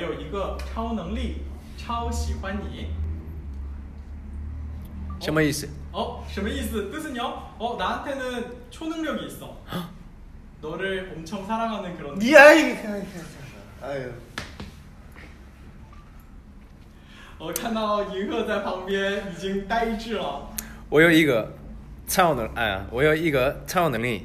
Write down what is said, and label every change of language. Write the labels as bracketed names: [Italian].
[Chinese] 我有一个超能力，超喜欢你。我有一个超能力，超喜欢你。什么意思？ [Korean] 어? [Chinese] 什么意思? [Korean] 뜻은요? 어? 나한테는 초능력이 있어. 너를 엄청 사랑하는 그런 느낌. 예, 아이고, 아이고. [Chinese] 我看到银河在旁边已经呆滞了。我有一个超能力。